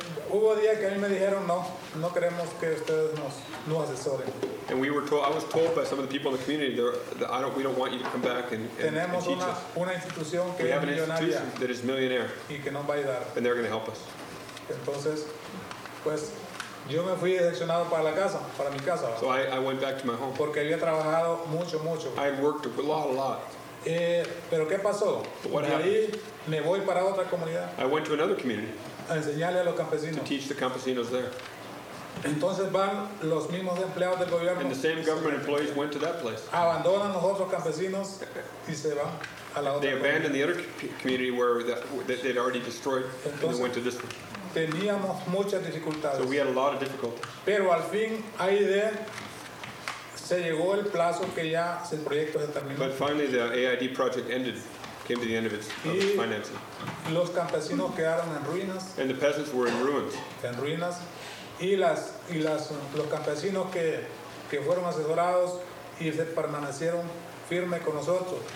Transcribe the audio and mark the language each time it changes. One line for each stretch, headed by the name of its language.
Spanish: Hubo días que a mí me dijeron no queremos que ustedes nos asesoren.
English: And we were told, I was told by some of the people in the community, that we don't want you to come back and teach
Spanish: una,
English: us.
Spanish: Una institución que
English: we
Spanish: es
English: have an institution that is millionaire.
Spanish: Y que nos va a ayudar.
English: And they're going to help us.
Spanish: Entonces, pues, Yo me fui decepcionado para la casa, para mi casa.
English: So I went back to my home.
Spanish: Porque había trabajado mucho, mucho.
English: I worked a lot.
Spanish: Pero ¿qué pasó?
English: What happened?
Spanish: Y ahí me voy para otra comunidad.
English: I went to another community.
Spanish: A enseñarle a los campesinos.
English: To teach the campesinos there.
Spanish: Entonces van los mismos empleados del gobierno.
English: And the same government employees went to that place.
Spanish: Abandonan los otros campesinos y se van.
English: They abandoned the other community where that they'd already destroyed.
Spanish: Entonces,
English: and they went to this one.
Spanish: Teníamos muchas dificultades.
English: So we had a lot of difficulties.
Spanish: Pero al fin, ahí de, se llegó el plazo que ya el proyecto se terminó.
English: But finally the AID project ended, came to the end of its financing.
Spanish: Los campesinos quedaron en ruinas.
English: And the peasants were in ruins.
Spanish: En ruinas. Y los campesinos que fueron asesorados y se permanecieron firme con nosotros.